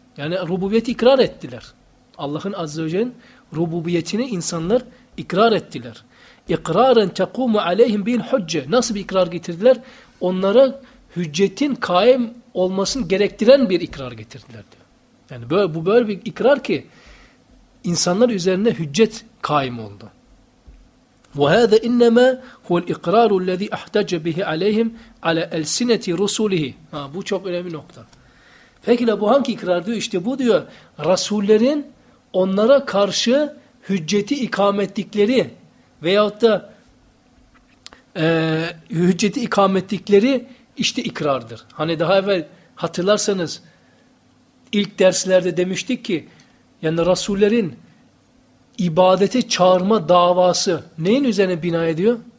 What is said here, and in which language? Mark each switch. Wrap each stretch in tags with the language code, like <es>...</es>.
<tr>Yani rububiyeti ikrar ettiler. Allah'ın azze ve celle'nin rububiyetini insanlar ikrar ettiler.</tr> <ar>İkraren taqumu aleyhim bil hucce.</ar> <tr>Nasıl bir ikrar getirdiler? Onlara hüccetin kaim olmasını gerektiren bir ikrar getirdiler diyor. Yani bu böyle bir ikrar ki insanlar üzerinde hüccet kaim oldu.</tr> <ar>وهذا انما هو الاقرار الذي احتج به عليهم على السنه رسله.</ar> <tr>Ha, bu çok önemli nokta. Peki bu hangi ikrar diyor? İşte bu diyor, rasullerin onlara karşı hücceti ikame ettikleri veyahut da hücceti ikame ettikleri işte ikrardır. Hani daha evvel hatırlarsanız ilk derslerde demiştik ki, yani rasullerin ibadete çağırma davası neyin üzerine bina ediyor?</tr>